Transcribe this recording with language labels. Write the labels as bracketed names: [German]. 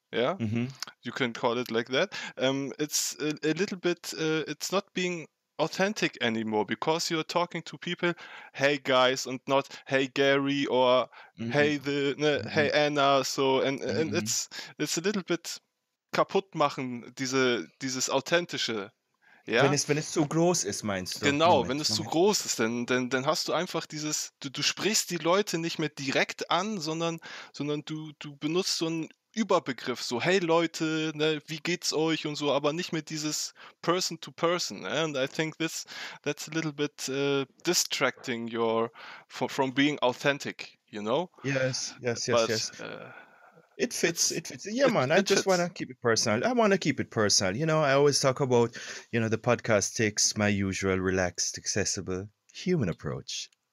[English] Yeah, you can call it like that. It's a little bit, it's not being authentic anymore, because you're talking to people, hey guys, and not hey Gary, or hey Anna, so, and it's a little bit [German] kaputt machen, dieses authentische. [English] Yeah. [German] Wenn es zu groß ist, meinst du? Genau, Moment, wenn es Moment. Zu groß ist, dann hast du einfach dieses, du sprichst die Leute nicht mehr direkt an, sondern du benutzt so ein Überbegriff, so hey Leute, ne, wie geht's euch und so, aber nicht mit dieses [English] Person to Person. And I think that's a little bit distracting your from being authentic, you know? Yes. It fits. Yeah, man. I just want to keep it personal. You know, I always talk about, you know, the podcast takes my usual relaxed, accessible human approach.